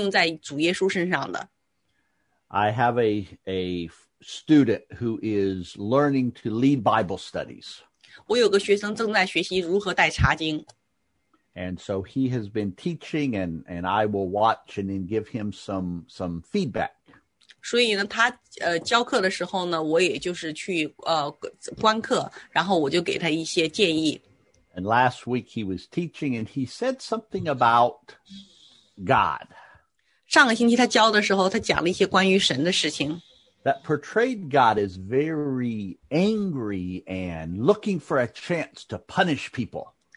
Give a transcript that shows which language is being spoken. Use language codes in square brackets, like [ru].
[zh] 我们所说的关于神的一切事，也都是同样是应用在主耶稣身上的。 [en] I have a student who is learning to lead Bible studies. [zh] 我有个学生正在学习如何带查经。 [en] And so he has been teaching, and I will watch and then give him some feedback. [zh] 所以呢，他教课的时候呢，我也就是去观课，然后我就给他一些建议。 [en] And last week he was teaching, and he said something about God. [zh] 上个星期他教的时候，他讲了一些关于神的事情。 [en] That portrayed God as very angry and looking for a chance to punish people.